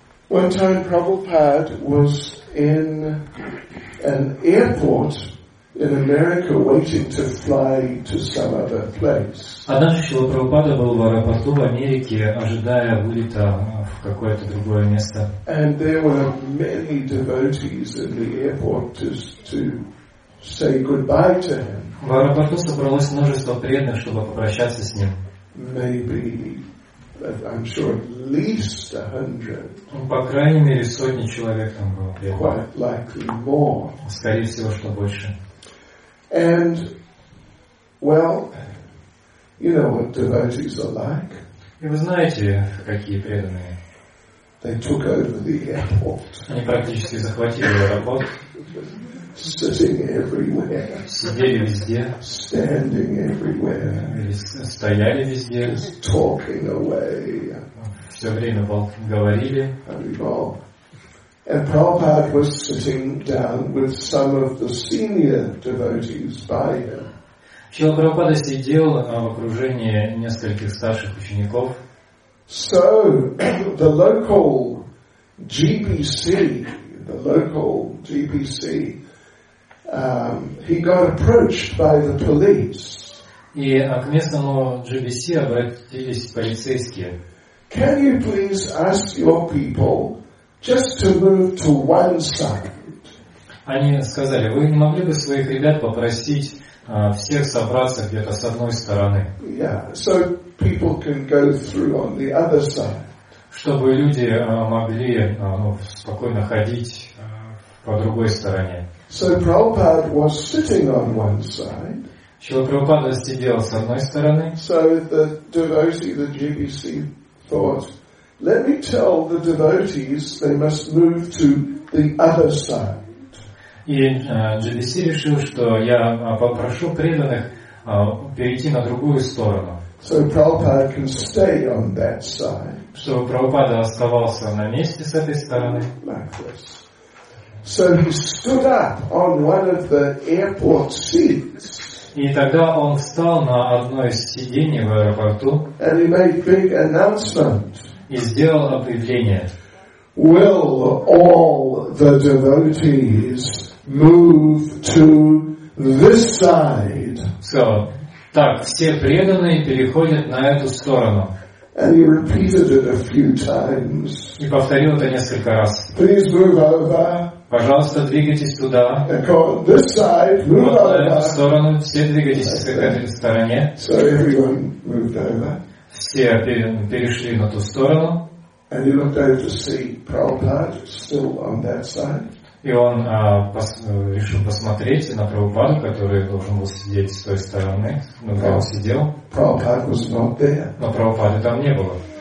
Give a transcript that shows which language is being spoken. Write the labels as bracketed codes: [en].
[en] One time Prabhupada was in an airport in America waiting to fly to some other place. [ru] Однажды Шрила Прабхупада был в аэропорту в Америке, ожидая вылета в какое-то другое место. [en] And there were many devotees in the airport to say goodbye to him. [ru] В аэропорту собралось множество преданных, чтобы попрощаться с ним. [en] Maybe, I'm sure, at least 100. [ru] По крайней мере, сотни человек там было. [en] Quite likely more. [ru] Скорее всего, что больше. [en] And, well, you know what devotees are like. [ru] И вы знаете, какие преданные. [en] They took over the airport. [ru] Они практически захватили аэропорт. [en] Sitting everywhere. [ru] Сидели везде. [en] Standing everywhere. [ru] Стояли везде. [en] Just talking away. [ru] Все время говорили. [en] And Prabhupada was sitting down with some of the senior devotees by him. [ru] Шрила Прабхупада сидел в окружении нескольких старших учеников. [en] So the local GBC, he got approached by the police. [ru] И к местному GBC обратились полицейские. [en] Can you please ask your people just to move to one side? [ru] Они сказали: вы не могли бы своих ребят попросить всех собраться где-то с одной стороны? [en] Yeah, so people can go through on the other side. [ru] Чтобы люди могли спокойно ходить по другой стороне. [en] So Prabhupada was sitting on one side. [ru] Шрила Прабхупада сидел с одной стороны. [en] So the devotee, the GBC, thought, let me tell the devotees they must move to the other side. [ru] И GBC решил, что я попрошу преданных перейти на другую сторону. [en] So Prabhupada can stay on that side. [ru] Чтобы Прабхупада оставался на месте с этой стороны. [en] Like this. So he stood up on one of the airport seats. [ru] И тогда он встал на одно из сидений в аэропорту. [en] And he made big announcement. [ru] И сделал объявление. [en] Will all the devotees move to this side? [ru] Сказал: так, все преданные переходят на эту сторону. [en] And he repeated it a few times. [ru] И повторил это несколько раз. [en] Please move over. [ru] Пожалуйста, двигайтесь туда. [en] This side, move [ru] вот на эту сторону. Все двигайтесь к этой стороне. [en] So everyone moved over. [ru] Все перешли на ту сторону. [en] And he looked over to see Prabhupada still on that side. [ru] И он решил посмотреть на Прабхупаду, который должен был сидеть с той стороны. Но он сидел. [en] Prabhupada was not there. [ru] Но Прабхупады там не было.